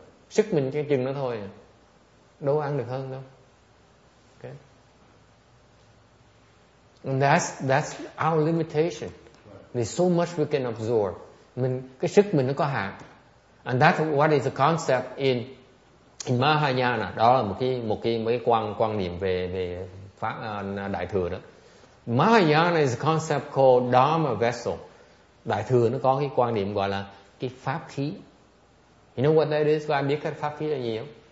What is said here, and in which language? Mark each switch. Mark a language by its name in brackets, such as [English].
[Vietnamese] Sức mình cái chừng nó thôi. Đâu ăn được hơn đâu. Okay. [English] And that's our limitation. There's so much we can absorb. [Vietnamese] Mình cái sức mình nó có hạn. [English] And that's what is the concept in Mahayana. [Vietnamese] Đó là một cái quan niệm về pháp đại thừa đó. [English] Mahayana is a concept called Dharma vessel. [Vietnamese] Đại thừa nó có cái quan niệm gọi là cái pháp khí. [English] You know what that is? [Vietnamese] Và biết cái pháp khí là gì không?